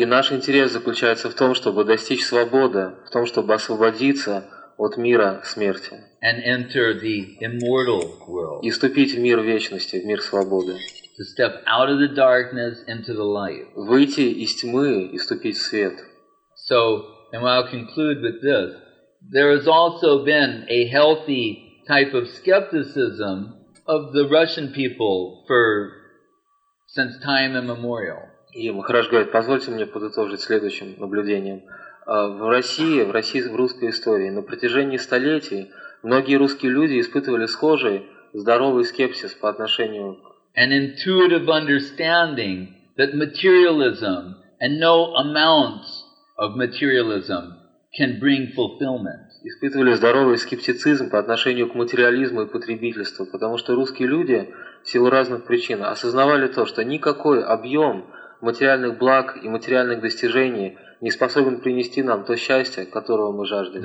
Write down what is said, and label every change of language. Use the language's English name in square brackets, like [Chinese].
[Russian] И наш интерес заключается в том, чтобы достичь свободы, в том, чтобы освободиться от мира смерти. [English] And enter the immortal world. [Russian] И вступить в мир вечности, в мир свободы. [English] To step out of the darkness into the light. [Russian] Выйти из тьмы и вступить в свет. [English] So, and I'll conclude with this. There has also been a healthy type of skepticism of the Russian people since time immemorial. [Russian] И Махарадж говорит, позвольте мне подытожить следующим наблюдением. В России, в русской истории, на протяжении столетий многие русские люди испытывали схожий здоровый скепсис по отношению к... [English] An intuitive understanding that materialism and no amounts of materialism can bring fulfillment. [Russian] Испытывали здоровый скептицизм по отношению к материализму и потребительству, потому что русские люди в силу разных причин осознавали то, что никакой объем материальных благ и материальных достижений не способен принести нам то счастье, которого мы жаждем.